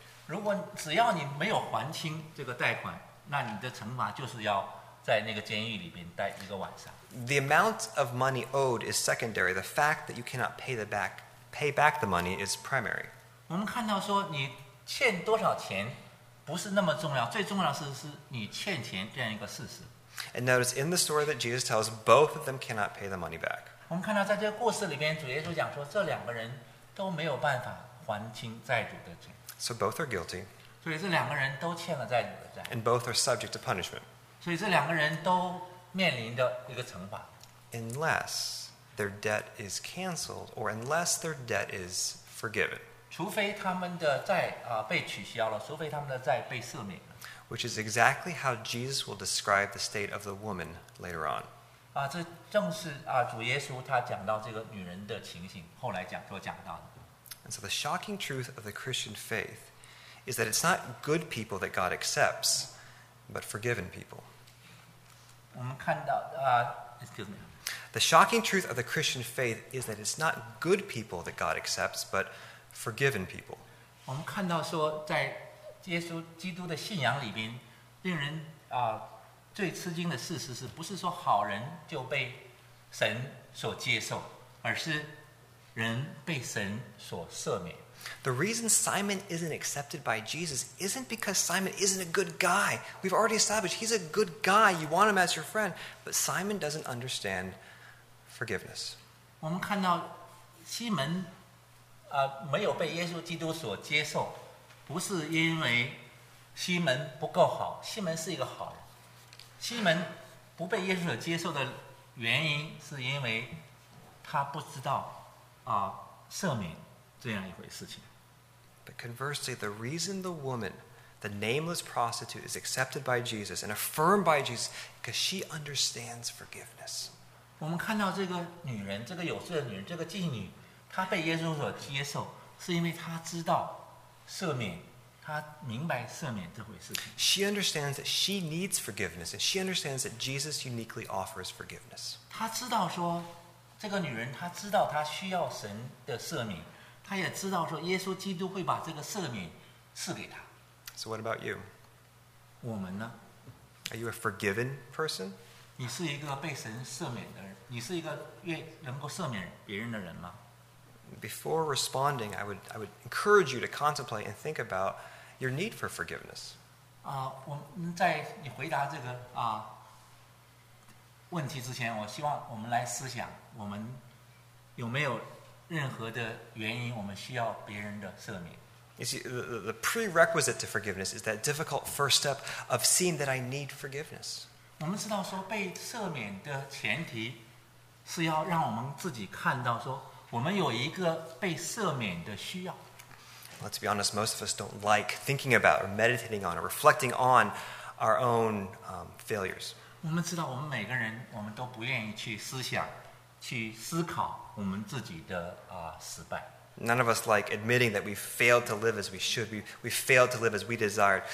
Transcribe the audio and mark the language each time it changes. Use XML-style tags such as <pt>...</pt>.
<zh>如果只要你没有还清这个贷款，那你的惩罚就是要在那个监狱里边待一个晚上。</zh> <en>The amount of money owed is secondary. The fact that you cannot pay back the money is primary.</en> <zh>我们看到说你欠多少钱，不是那么重要，最重要的是你欠钱这样一个事实。</zh> <en>And notice in the story that Jesus tells, both of them cannot pay the money back.</en> <zh>我们看到在这个故事里边，主耶稣讲说，这两个人都没有办法还清债主的债。</zh> <en>So both are guilty.</en> <zh>所以这两个人都欠了债主的债。</zh> <en>And both are subject to punishment.</en> <zh>所以这两个人都面临的一个惩罚。</zh> <en>Unless their debt is canceled, or unless their debt is forgiven.</en> <zh>除非他们的债被取消了，除非他们的债被赦免。</zh> <en>Which is exactly how Jesus will describe the state of the woman later on.</en> <zh>啊，这正是啊，主耶稣他讲到这个女人的情形，后来讲说讲到的。</zh> <en>And so the shocking truth of the Christian faith is that it's not good people that God accepts, but forgiven people.</en> <zh>我们看到</zh> <en>excuse me. The shocking truth of the Christian faith is that it's not good people that God accepts, but forgiven people.</en> <zh>我们看到说在耶稣基督的信仰里边，令人最吃惊的事实是不是说好人就被神所接受，而是人被神所赦免。</zh> <en>The reason Simon isn't accepted by Jesus isn't because Simon isn't a good guy. We've already established he's a good guy. You want him as your friend, but Simon doesn't understand forgiveness.</en> <zh>我们看到西门没有被耶稣基督所接受。不是因为西门不够好，西门是一个好人。西门不被耶稣所接受的原因，是因为他不知道赦免这样一回事情。</zh> <en>But conversely, the reason the woman, the nameless prostitute, is accepted by Jesus and affirmed by Jesus, because she understands forgiveness.</en> <zh>我们看到这个女人，这个有罪的女人，这个妓女，她被耶稣所接受，是因为她知道。赦免，他明白赦免这回事情。</zh> <en>She understands that she needs forgiveness, and she understands that Jesus uniquely offers forgiveness.</en> <zh>他知道说，这个女人，她知道她需要神的赦免，她也知道说，耶稣基督会把这个赦免赐给她。</zh> <en>So what about you?</en> <zh>我们呢</zh> <en>？Are you a forgiven person?</en> <zh>你是一个被神赦免的人，你是一个愿能够赦免别人的人吗？</zh> <en>Before responding, I would encourage you to contemplate and think about your need for forgiveness.</en> <zh>我们在你回答这个问题之前，我希望我们来思想，我们有没有任何的原因，我们需要别人的赦免。</zh> <en>You see, the prerequisite to forgiveness is that difficult first step of seeing that I need forgiveness.</en> <zh>我们知道说被赦免的前提是要让我们自己看到说。我们有一个被赦免的需要。</zh> <en>Let's be honest, most of us don't like thinking about or meditating on or reflecting on our own failures.</en> <zh>我们知道我们每个人我们都不愿意去思想去思考我们自己的失败。</zh> <en>None of us like admitting that we failed to live as we should. We failed to live as we desired.</en>